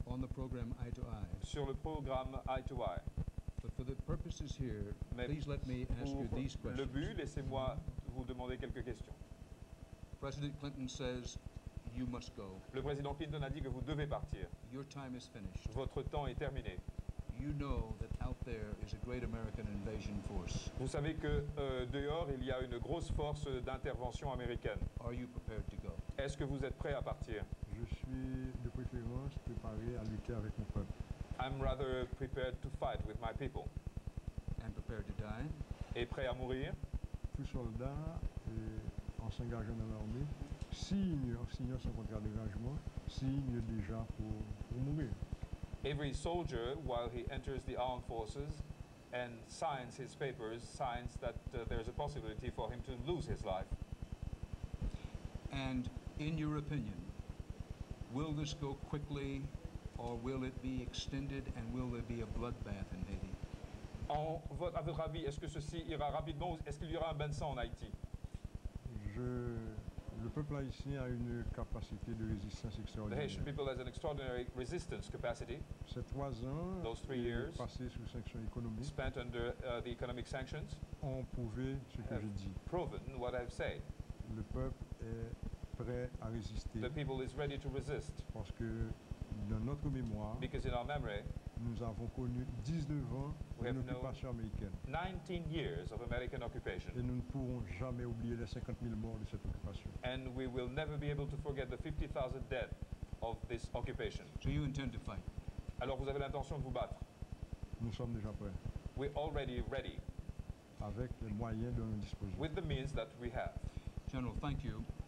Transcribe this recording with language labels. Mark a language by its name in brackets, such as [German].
[English] on the program Eye to Eye. [French] Sur le programme Eye to Eye. [English] But for the purposes here, [French] mais [English] please let me ask you these questions. [French] Le but, laissez-moi vous demander quelques questions. [English] President Clinton says you must go. [French] Le président Clinton a dit que vous devez partir. [English] Your time is finished. [French] Votre temps est terminé. [English] You know that out there is a great American invasion force. [French] Vous savez que dehors il y a une grosse force d'intervention américaine. [English] Are you prepared to go? [French] Est-ce que vous êtes prêt à partir? Je suis de préférence préparé à lutter avec mon peuple. [English] I'm rather prepared to fight with my people. And prepared to die? [French] Et prêt à mourir? Tout soldat en s'engageant dans l'armée signe son contrat d'engagement, signe déjà pour mourir. [English] Every soldier, while he enters the armed forces and signs his papers, signs that there is a possibility for him to lose his life. And in your opinion, will this go quickly or will it be extended and will there be a bloodbath in Haiti? [French] En votre, à votre avis, est-ce que ceci ira rapidement ou est-ce qu'il y aura un bain de sang en Haïti? Le peuple haïtien a une capacité de résistance extraordinaire. [English] The Haitian people has an extraordinary resistance capacity. [French] Ces trois ans, [English] those three years [French] passés sous sanctions économiques, [English] spent under the economic sanctions, [French] ont prouvé ce que je dis. [English] Proven what I've said. [French] Le peuple est prêt à résister. [English] The people is ready to resist. [French] Parce que dans notre mémoire, [English] because in our memory, [French] nous avons connu 19 ans d'une occupation américaine. [English] 19 years of American occupation. [French] Et nous ne pourrons jamais oublier les 50 000 morts de cette occupation. [English] And we will never be able to forget the 50,000 deaths of this occupation. So you intend to fight? [French] Alors vous avez l'intention de vous battre? Nous sommes déjà prêts. [English] We're already ready. [French] Avec les moyens dont nous disposons. [English] With the means that we have. General, thank you.